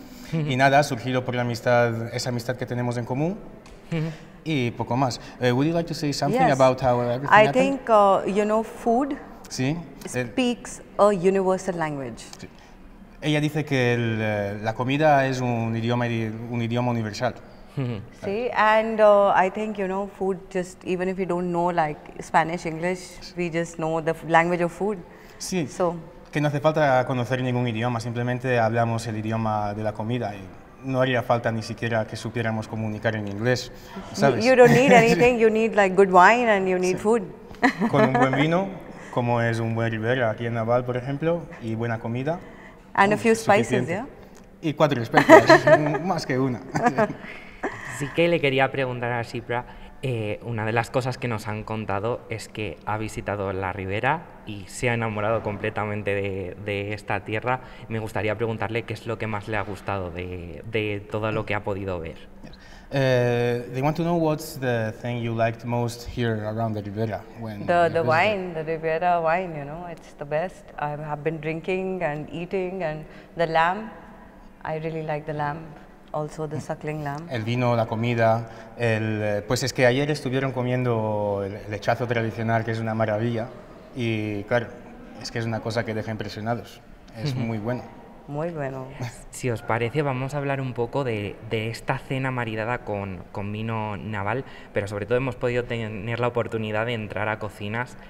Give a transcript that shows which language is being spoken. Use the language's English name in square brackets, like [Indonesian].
[Spanish] Y nada, ha surgido por la amistad, esa amistad que tenemos en común. Y poco más. [English] Would you like to say something yes. about how everything I happened? I think, you know, food ¿sí? speaks a universal language. Sí. [Spanish] Ella dice que la comida es un idioma universal. [English] Sí, and I think, you know, food, just even if you don't know like Spanish, English, sí. we just know the language of food. Sí, so. [Spanish] Que no hace falta conocer ningún idioma, simplemente hablamos el idioma de la comida y no haría falta ni siquiera que supiéramos comunicar en inglés, ¿sabes? [English] You don't need anything, you need like good wine and you need sí. food. [Spanish] Con un buen vino, como es un buen Ribera aquí en Naval, por ejemplo, y buena comida. [English] And a few suficiente. Spices, yeah? [Spanish] Y cuatro especias, más que una. Sí que le quería preguntar a Shipra, una de las cosas que nos han contado es que ha visitado la Ribera y se ha enamorado completamente de esta tierra. Me gustaría preguntarle qué es lo que más le ha gustado de todo lo que ha podido ver. [English] They want to know what's the thing you liked most here around the Ribera. When the wine, the Ribera wine, you know, it's the best. I have been drinking and eating and the lamb, I really like the lamb. Also the suckling lamb. [Spanish] El vino, la comida, pues es que ayer estuvieron comiendo el lechazo tradicional, que es una maravilla, y claro, es que es una cosa que deja impresionados. Es muy bueno. Muy bueno. Si os parece, vamos a hablar un poco de esta cena maridada con vino Naval, pero sobre todo hemos podido tener la oportunidad de entrar a cocinas.